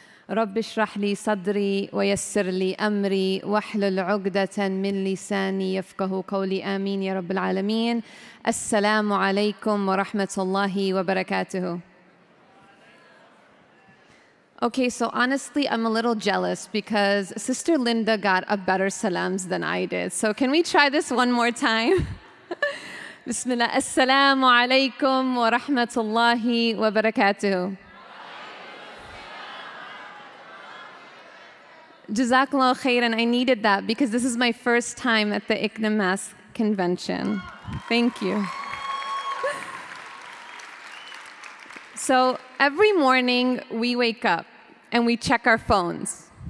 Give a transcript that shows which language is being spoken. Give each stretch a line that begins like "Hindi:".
Arabic: رب اشرح لي صدري ويسر لي امري واحلل عقدة من لساني يفقهوا قولي امين يا رب العالمين السلام عليكم ورحمه الله وبركاته.
English: Okay, so honestly I'm a little jealous because Sister Linda got a better salams than I did. So can we try this one more time?
Arabic: بسم الله السلام عليكم ورحمه الله وبركاته.
English: Jazakallah khairan, I needed that because this is my first time at the ICNA-MAS convention. Thank you. So every morning we wake up and we check our phones.